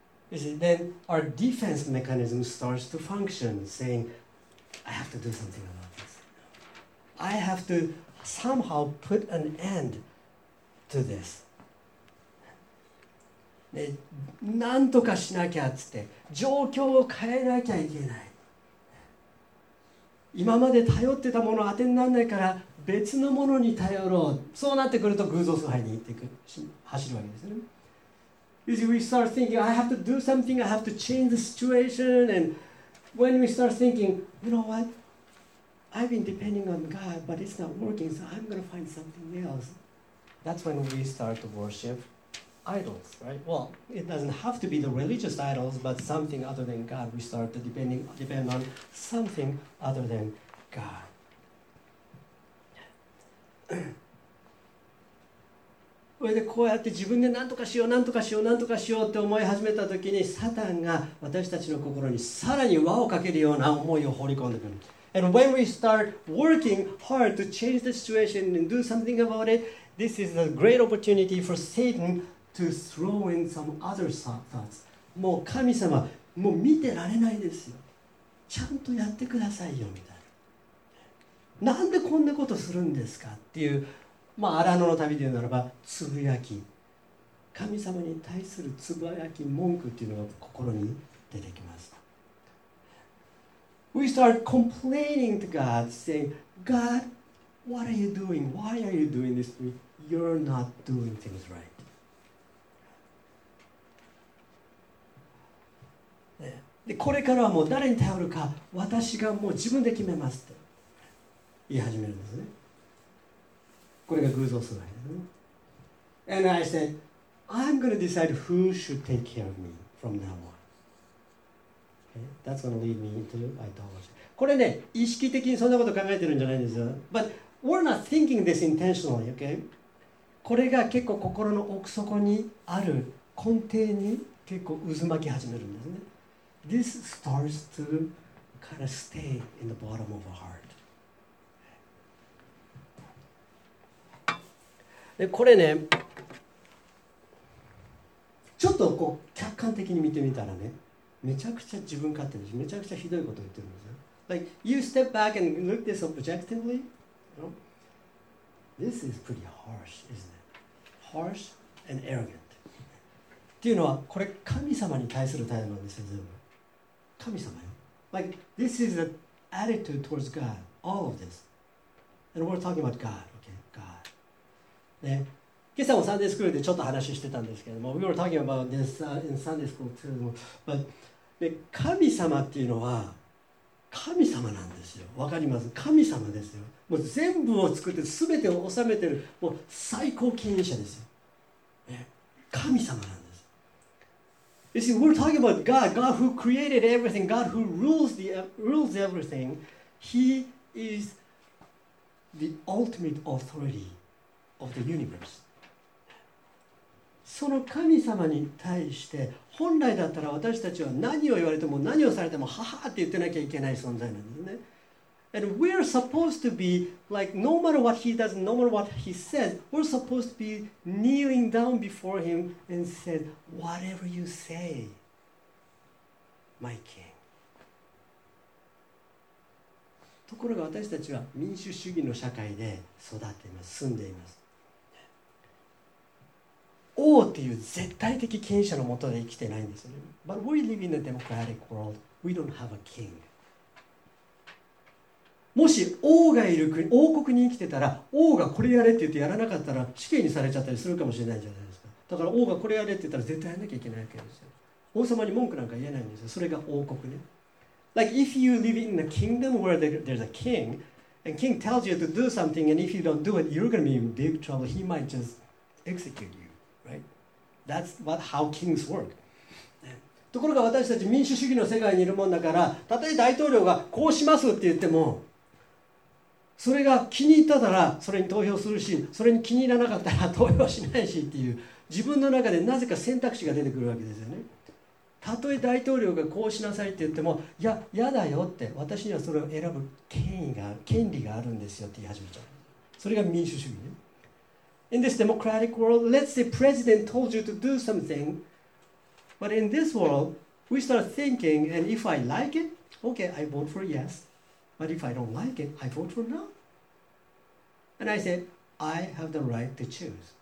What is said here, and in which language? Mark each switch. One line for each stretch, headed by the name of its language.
English: You see, then our defense mechanism starts to function, saying, I have to do something about this. I have to somehow put an end to this.
Japanese: で、なんとかしなきゃっつって、状況を変えなきゃいけない。今まで頼ってたもの当てにならないから、別のものに頼ろう。そうなってくると、偶像崇拝に行っていく、走るわけですよね。
English: Is we start thinking, I have to do something, I have to change the situation. And when we start thinking, you know what? I've been depending on God, but it's not working, so I'm going to find something else. That's when we start to worship idols, right? Well, it doesn't have to be the religious idols, but something other than God. We start to depend on something other than God.
Japanese: それでこうやって自分で何とかしよう何とかしよう何とかしようって思い始めた時にサタンが私たちの心にさらに輪をかけるような思いを放り込んでくる。
English: And when we start working hard to change the situation and do something about it, this is a great opportunity for Satan to throw in some other thoughts.
Japanese: もう神様もう見てられないですよ。ちゃんとやってくださいよみたいな。なんでこんなことするんですかっていう、まあ、アラノの旅で言うならば、つぶやき。神様に対するつぶやき、文句っていうのが心に出てきます。
English: We start complaining to God, saying, God, what are you doing? Why are you doing this to me? You're not doing things right.
Japanese: で、これからはもう誰に頼るか、私がもう自分で決めますって言い始めるんですね。これが偶像崇拝ですね。
English: And I said, I'm going to decide who should take care of me from now on. Okay? That's going to lead me into idolatry.
Japanese: これね、意識的にそんなこと考えてるんじゃないんですよ。
English: But we're not thinking this intentionally, okay?
Japanese: これが結構心の奥底にある根底に結構渦巻き始めるんですね。
English: This starts to kind of stay in the bottom of our heart.
Japanese: でこれね、ちょっとこう客観的に見てみたらね、めちゃくちゃ自分勝手でし、めちゃくちゃひどいことを言ってるんですよ。
English: Like, you step back and look this objectively, you know? This is pretty harsh, isn't it? Harsh and arrogant.
Japanese: っていうのは、これ神様に対する態度なんですよ、全部。神様よ。
English: Like, this is an attitude towards God, all of this. And we're talking about God.
Japanese: ね、今朝もサンデースクールでちょっと話してたんですけども
English: We were talking about this in Sunday school too But、
Japanese: ね、神様っていうのは神様なんですよ。わかります？神様ですよ。もう全部を作って全てを収めてるもう最高権威者ですよ、ね、神様なんです。
English: You see, we're talking about God God who created everything God who rules everything He is the ultimate authorityof the universe.
Japanese: その神様に対して本来だったら私たちは何を言われても何をされてもははって言ってなきゃいけない存在なんですね。
English: And we are supposed to be like no matter what he does, no matter what he says, we're supposed to be kneeling down before him and said, whatever you say, my king.
Japanese: ところが私たちは民主主義の社会で育っています、住んでいます。王っていう絶対的権威者のもとで生きてないんですよね。
English: But we live in a democratic world. We don't have a king.
Japanese: もし王がいる国、王国に生きてたら、王がこれやれって言ってやらなかったら死刑にされちゃったりするかもしれないじゃないですか。だから王がこれやれって言ったら絶対やらなきゃいけないわけですよ。王様に文句なんか言えないんですよ。それが王国ね。
English: Like if you live in a kingdom where there's a king, and king tells you to do something, and if you don't do it, you're going to be in big trouble. He might just execute you. That's what, how kings work.
Japanese: ところが私たち民主主義の世界にいるもんだから、たとえ大統領がこうしますって言っても、それが気に入ったならそれに投票するし、それに気に入らなかったら投票しないしっていう、自分の中でなぜか選択肢が出てくるわけですよね。たとえ大統領がこうしなさいって言っても、いや、やだよって、私にはそれを選ぶ権利があるんですよって言い始めちゃう。それが民主主義ね。
English: In this democratic world, let's say president told you to do something, but in this world, we start thinking, and if I like it, okay, I vote for yes, but if I don't like it, I vote for no. And I said, I have the right to choose.